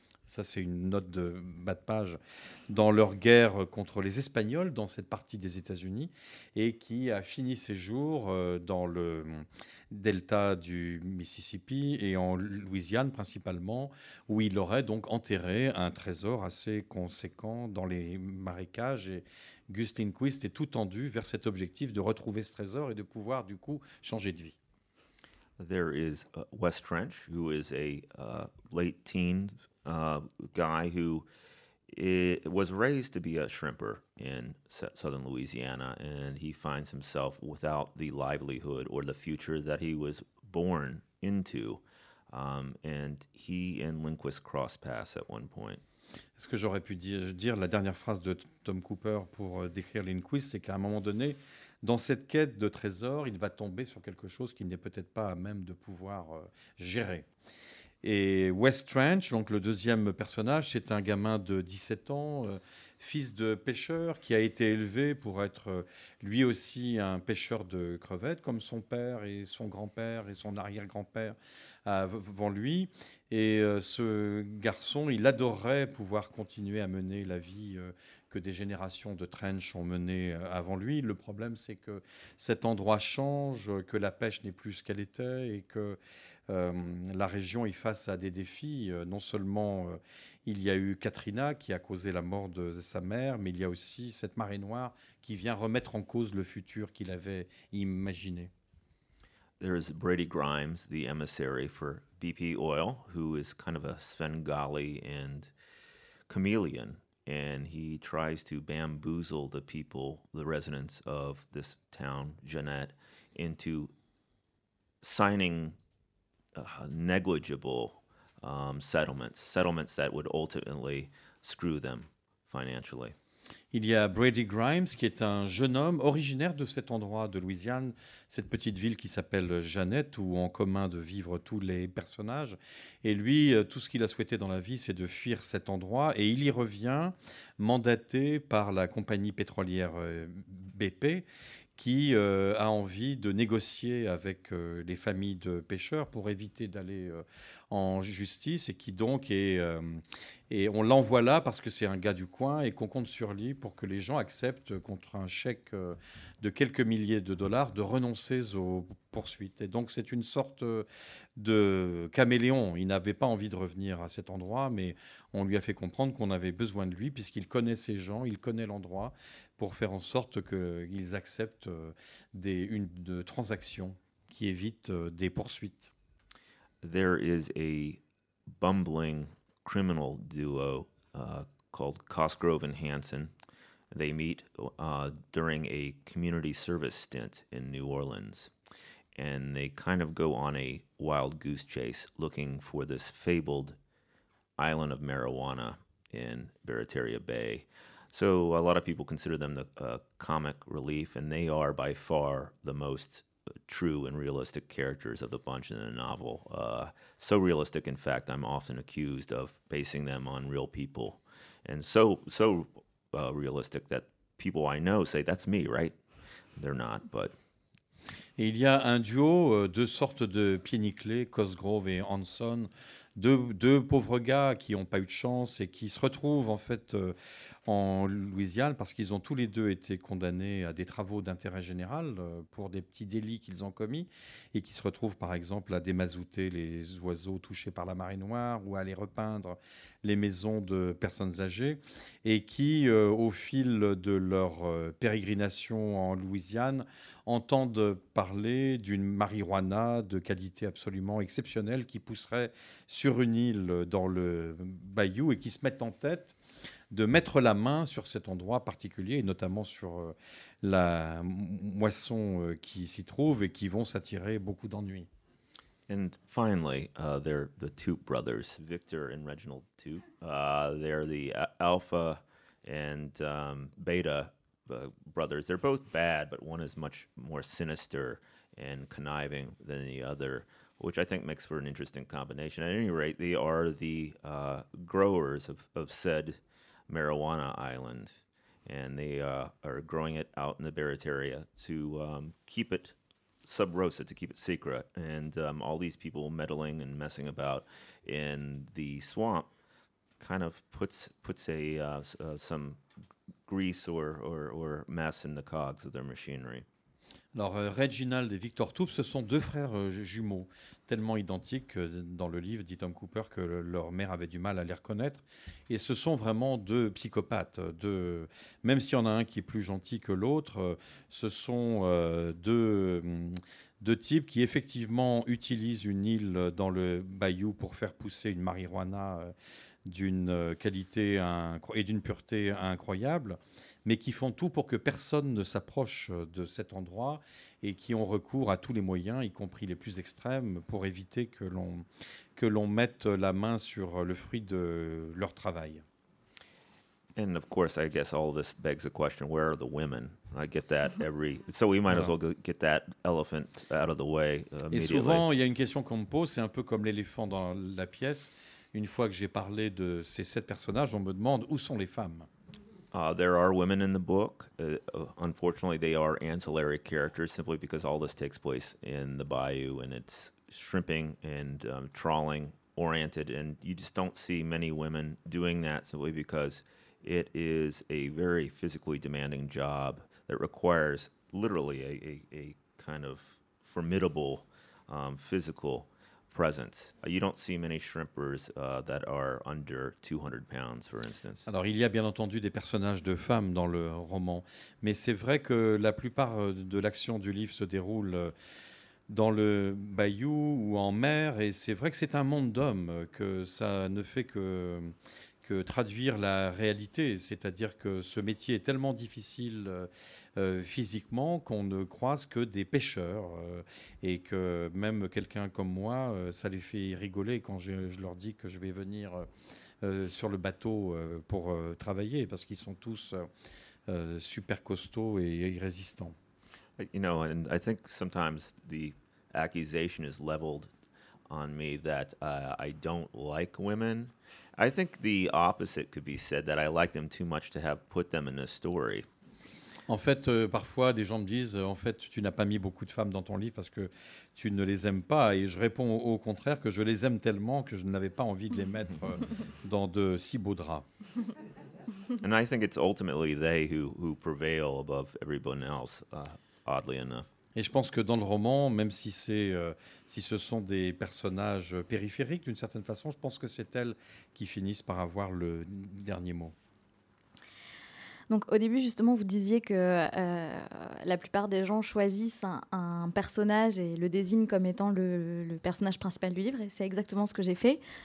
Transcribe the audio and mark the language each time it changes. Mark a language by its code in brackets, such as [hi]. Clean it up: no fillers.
[fr] ça c'est une note de bas de page, dans leur guerre contre les Espagnols dans cette partie des États-Unis, et qui a fini ses jours dans le delta du Mississippi et en Louisiane principalement, où il aurait donc enterré un trésor assez conséquent dans les marécages. Et Gus Lindquist est tout tendu vers cet objectif de retrouver ce trésor et de pouvoir du coup changer de vie. [en] There is Wes Trench, who is a late teens guy who was raised to be a shrimper in southern Louisiana, and he finds himself without the livelihood or the future that he was born into, and he and Lindquist cross paths at one point. [fr] Ce que j'aurais pu dire la dernière phrase de Tom Cooper pour décrire Lindquist, c'est qu'à un moment donné, dans cette quête de trésor, il va tomber sur quelque chose qu'il n'est peut-être pas à même de pouvoir gérer. Et Wes Trench, donc le deuxième personnage, c'est un gamin de 17 ans, fils de pêcheur, qui a été élevé pour être lui aussi un pêcheur de crevettes, comme son père et son grand-père et son arrière-grand-père avant lui. Et ce garçon, il adorerait pouvoir continuer à mener la vie que des générations de Trench ont menée avant lui. Le problème, c'est que cet endroit change, que la pêche n'est plus ce qu'elle était et que la région est face à des défis. Non seulement il y a eu Katrina qui a causé la mort de sa mère, mais il y a aussi cette marée noire qui vient remettre en cause le futur qu'il avait imaginé. [en] There is Brady Grimes, the emissary for BP Oil, who is kind of a Svengali and chameleon, and he tries to bamboozle the people, the residents of this town, Jeannette, into signing negligible settlements that would ultimately screw them financially. [fr] Il y a Brady Grimes, qui est un jeune homme originaire de cet endroit de Louisiane, cette petite ville qui s'appelle Jeannette, où en commun de vivre tous les personnages. Et lui, tout ce qu'il a souhaité dans la vie, c'est de fuir cet endroit. Et il y revient, mandaté par la compagnie pétrolière BP, qui a envie de négocier avec les familles de pêcheurs pour éviter d'aller en justice, et qui donc est... Et on l'envoie là parce que c'est un gars du coin et qu'on compte sur lui pour que les gens acceptent, contre un chèque de quelques milliers de dollars, de renoncer aux poursuites. Et donc c'est une sorte de caméléon. Il n'avait pas envie de revenir à cet endroit, mais on lui a fait comprendre qu'on avait besoin de lui puisqu'il connaît ces gens, il connaît l'endroit, pour faire en sorte qu'ils acceptent une transaction qui évite des poursuites. [en] There is a bumbling criminal duo called Cosgrove and Hanson. They meet during a community service stint in New Orleans, and they kind of go on a wild goose chase looking for this fabled island of marijuana in Barataria Bay. So a lot of people consider them the comic relief, and they are by far the most true and realistic characters of the bunch in the novel. So realistic, in fact, I'm often accused of basing them on real people. And so realistic that people I know say, that's me, right? They're not, but... [fr] Il y a un duo, deux sortes de pied-niquelés, Cosgrove et Hanson, deux pauvres gars qui n'ont pas eu de chance et qui se retrouvent en fait en Louisiane parce qu'ils ont tous les deux été condamnés à des travaux d'intérêt général pour des petits délits qu'ils ont commis et qui se retrouvent par exemple à démazouter les oiseaux touchés par la marée noire ou à aller repeindre les maisons de personnes âgées et qui, au fil de leur pérégrination en Louisiane, entendent parler d'une marijuana de qualité absolument exceptionnelle qui pousserait sur une île dans le bayou et qui se mettent en tête de mettre la main sur cet endroit particulier, et notamment sur la moisson qui s'y trouve et qui vont s'attirer beaucoup d'ennuis. [en] And finally, they're the Toup brothers, Victor and Reginald Toup. They're the Alpha and Beta brothers. They're both bad, but one is much more sinister and conniving than the other, which I think makes for an interesting combination. At any rate, they are the growers of said marijuana island, and they are growing it out in the Barataria to keep it sub rosa, to keep it secret. And all these people meddling and messing about in the swamp kind of puts some grease or mess in the cogs of their machinery. [fr] Alors, Reginald et Victor Toup, ce sont deux frères jumeaux, tellement identiques dans le livre, dit Tom Cooper, que leur mère avait du mal à les reconnaître. Et ce sont vraiment deux psychopathes. Même s'il y en a un qui est plus gentil que l'autre, ce sont deux types qui, effectivement, utilisent une île dans le bayou pour faire pousser une marijuana d'une qualité et d'une pureté incroyables, mais qui font tout pour que personne ne s'approche de cet endroit et qui ont recours à tous les moyens, y compris les plus extrêmes, pour éviter que l'on mette la main sur le fruit de leur travail. [en] And of course, I guess all of this begs the question, where are the women? I get that every... So we might as well get that elephant out of the way immediately. [fr] Et souvent, il y a une question qu'on me pose, c'est un peu comme l'éléphant dans la pièce. Une fois que j'ai parlé de ces sept personnages, on me demande, où sont les femmes? [en] There are women in the book. Unfortunately, they are ancillary characters simply because all this takes place in the bayou and it's shrimping and trawling oriented. And you just don't see many women doing that simply because it is a very physically demanding job that requires literally a kind of formidable physical presence. You don't see many shrimpers that are under 200 pounds, for instance. [fr] Alors, il y a bien entendu des personnages de femmes dans le roman, mais c'est vrai que la plupart de l'action du livre se déroule dans le bayou ou en mer, et c'est vrai que c'est un monde d'hommes, que ça ne fait que traduire la réalité, c'est-à-dire que ce métier est tellement difficile physiquement qu'on ne croise que des pêcheurs et que même quelqu'un comme moi, ça les fait rigoler quand je leur dis que je vais venir sur le bateau pour travailler parce qu'ils sont tous super costauds et résistants. [en] You know, and I think sometimes the accusation is leveled on me that I don't like women. I think the opposite could be said, that I like them too much to have put them in a story. [fr] En fait, parfois, des gens me disent, en fait, tu n'as pas mis beaucoup de femmes dans ton livre parce que tu ne les aimes pas. Et je réponds au contraire que je les aime tellement que je n'avais pas envie de les mettre dans de si beaux draps. [en] And I think it's ultimately they who prevail above everyone else, oddly enough. [fr] Et je pense que dans le roman, même si ce sont des personnages périphériques d'une certaine façon, je pense que c'est elles qui finissent par avoir le dernier mot. Donc au début, justement, vous disiez que la plupart des gens choisissent un personnage et le désignent comme étant le personnage principal du livre. Et c'est exactement ce que j'ai fait.